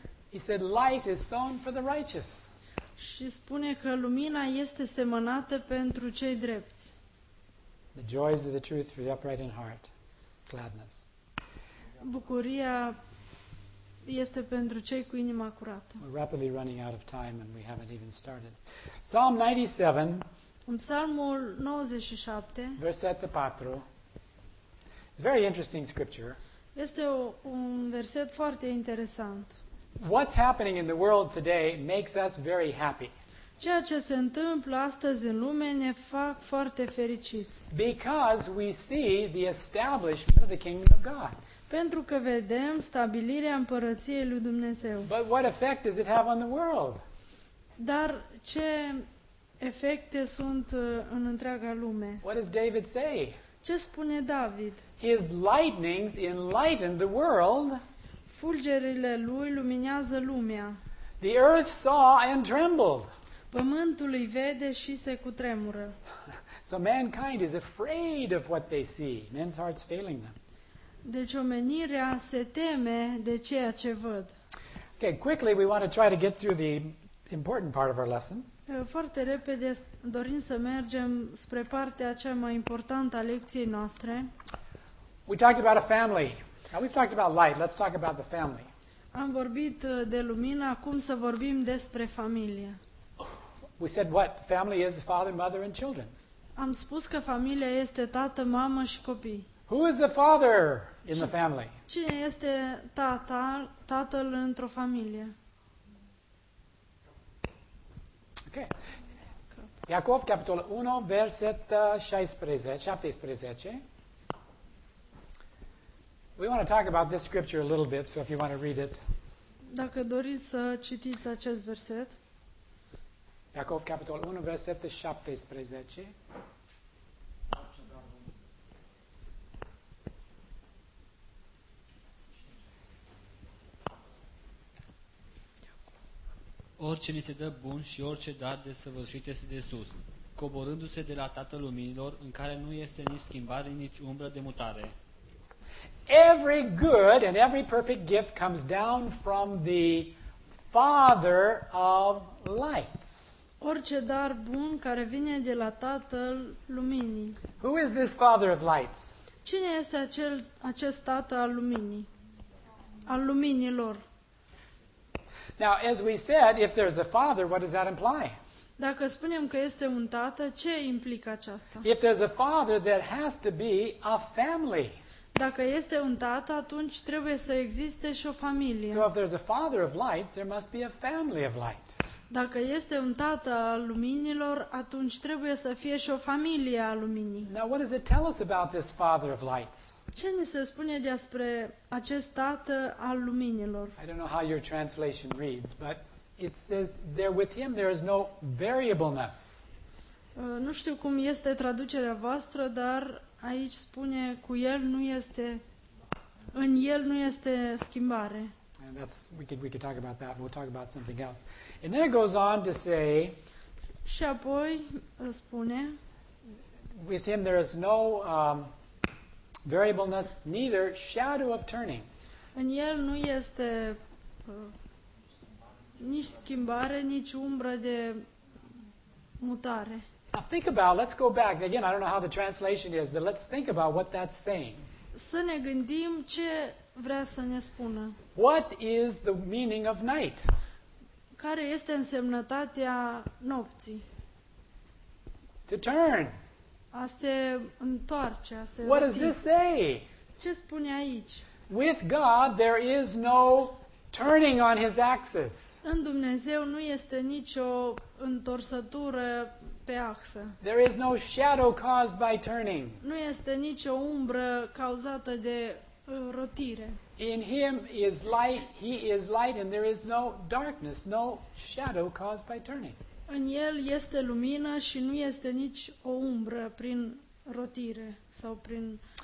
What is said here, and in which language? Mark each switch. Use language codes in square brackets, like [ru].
[en] He said light is sown for the righteous. [ro] Și spune că lumina este semănată pentru cei drepți. [en] The joys of the truth for the upright in heart. Gladness. [ro] Bucuria este pentru cei cu inima curată. [en] We're rapidly running out of time and we haven't even started. Psalm 97. [ro] În Psalmul 97. Versetul 4. [en] It's a very interesting scripture. [ro] Este un verset foarte interesant. [en] What's happening in the world today makes us very happy. [ro] Ceea ce se întâmplă astăzi în lume ne fac foarte fericiți. [en] Because we see the establishment of the kingdom of God. [ro] Pentru că vedem stabilirea împărăției lui Dumnezeu. [en] But what effect does it have on the world? [ro] Dar ce efecte sunt în întreaga lume? [en] What does David say? [ro] Ce spune David? [en] His lightnings enlighten the world. [ro] Fulgerile lui luminează lumea. [en] The earth saw and trembled. [ro] Pământul îi vede și se cutremură. [en] So mankind is afraid of what they see. Men's hearts failing them. [ro] Deci omenirea se teme de ceea ce văd. [en] Okay, quickly we want to try to get through the important part of our lesson. [ro] Foarte repede dorim să mergem spre partea cea mai importantă a lecției noastre. [en] We talked about a family. Now we've talked about light. Let's talk about the family. [ro] Am vorbit de lumină, acum să vorbim despre familie. [en] We said what? Family is father, mother and children. [ro] Am spus că familia este tată, mamă și copii. [en] Who is the father in the family? [ro] Cine este tata, tatăl într-o familie? [en] Okay. [ro] Iacov, capitolul 1, versetul 17. [en] We want to talk about this scripture a little bit, so if you want to read it. [ro] Dacă doriți să citiți acest verset. Iacov, capitolul 1, versetul 17. Orice ni se dă bun și orice dar desăvârșit este de sus, coborându-se de la Tatăl Luminilor, în care nu este nici schimbare, nici umbră de mutare. [en] Every good and every perfect gift comes down from the Father of lights. [ro] Orice dar bun care vine de la Tatăl Luminii. [en] Who is this Father of lights? [ro] Cine este acest tată al luminii? Al luminilor. [en] Now, as we said, if there's a father, what does that imply? [ro] Dacă spunem că este un tată, ce implică aceasta? [en] If there's a father, there has to be a family. [ro] Dacă este un tată, atunci trebuie să existe și o familie. [en] So if there's a father of lights, there must be a family of light. [ro] Dacă este un tată al luminilor, atunci trebuie să fie și o familie a luminii. [en] Now, what does it tell us about this father of lights? [ro] Ce ni se spune despre acest tată al luminilor? [en] I don't know how your translation reads, but it says there with him there is no variableness. [ro] Nu știu cum este traducerea voastră, dar aici spune cu el nu este în el nu este schimbare. [en] And that's we could talk about that. We'll talk about something else. And then it goes on to say. [ro] Și apoi spune. [en] With him there is no variableness, neither shadow of turning. [ro] În el nu este nici schimbare, nici umbră de mutare. [en] Now think about, let's go back. Again, I don't know how the translation is, but let's think about what that's saying. [ro] Să ne gândim ce vrea să ne spună. [en] What is the meaning of night? [ro] Care este însemnătatea nopții? [en] To turn. [ro] A se întoarce, a se [en] What does this say? [ro] Ce spune aici? [en] With God there is no turning on his axis. [ro] În Dumnezeu nu este nicio întorsătură pe axă. [en] There is no shadow caused by turning. [ro] Nu este nicio umbră cauzată de rotire. [en] In him is light, he is light and there is no darkness, no shadow caused by turning. [ro] În el este lumină și nu este nici o umbră prin rotire sau prin